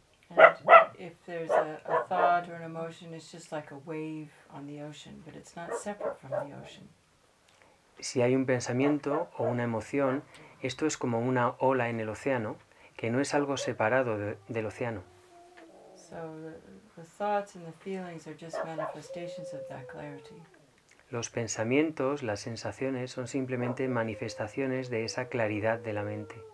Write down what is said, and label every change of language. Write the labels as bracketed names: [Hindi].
[English] And if there's a thought or an emotion, it's just like a wave on the ocean, but it's not separate from the ocean. [Spanish] Si hay un pensamiento o una emoción, esto es como una ola en el océano, que no es algo separado del océano. [English] So the thoughts and the feelings are just manifestations of that clarity. [Spanish] Los pensamientos, las sensaciones, son simplemente manifestaciones de esa claridad de la mente.